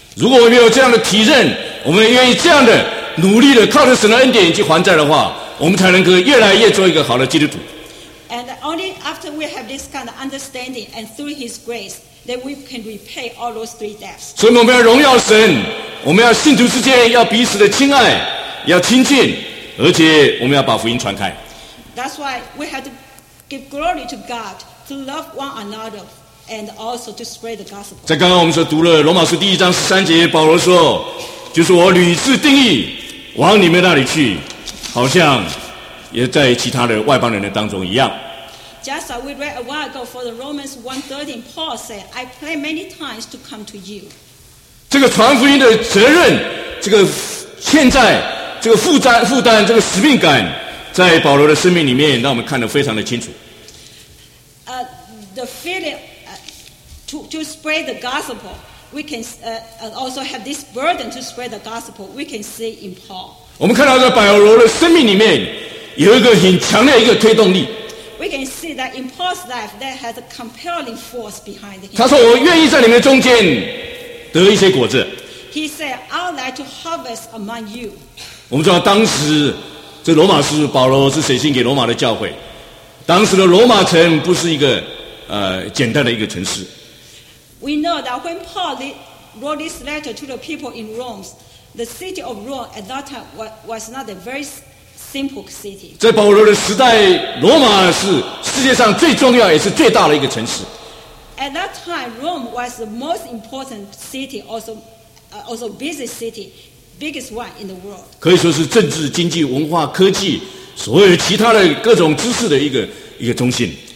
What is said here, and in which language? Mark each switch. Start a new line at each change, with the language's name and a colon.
Chinese: 如果我们有这样的体认，我们愿意这样的努力的靠着神的恩典去还债的话，我们才能够越来越做一个好的基督徒。
English: And only after we have this kind of understanding and through His grace, then we can repay all those three debts.
Chinese: 所以我们要荣耀神，我们要信徒之间要彼此的亲爱，要亲近，而且我们要把福音传开。
English: That's why we have to give glory to God to love one another and also to spread the gospel.
Chinese: 在刚刚我们所读了罗马书第一章十三节，保罗说：“就是我屡次定义往你们那里去，好像也在其他的外邦人的当中一样。”
English: Just as we read a while ago for the Romans 1:13, Paul said, "I pray many times to come to you."
Chinese: 这个传福音的责任，这个现在这个负担，这个使命感，在保罗的生命里面，让我们看得非常的清楚。
English: The feeling to spread the gospel, we can also have this burden to spread the gospel. We can see in Paul.
Chinese: 我们看到在保罗的生命里面有一个很强烈的一个推动力。
English: We can see that in Paul's life, there has a compelling force behind him.
Chinese: 他说：“我愿意在你们中间得一些果子。”
English: He said, "I'd like to harvest among you."
Chinese: 我们知道当时这罗马书保罗是写信给罗马的教会，当时的罗马城不是一个简单的一个城市。
English: We know that when Paul wrote this letter to the people in Rome, the city of Rome at that time was not a very simple city.
Chinese: 在保罗的时代，罗马是世界上最重要也是最大的一个城市。
English: At that time, Rome was the most important city, also busy city, biggest one in the world.
Chinese: 可以说是政治、经济、文化、科技，所有其他的各种知识的一个中心。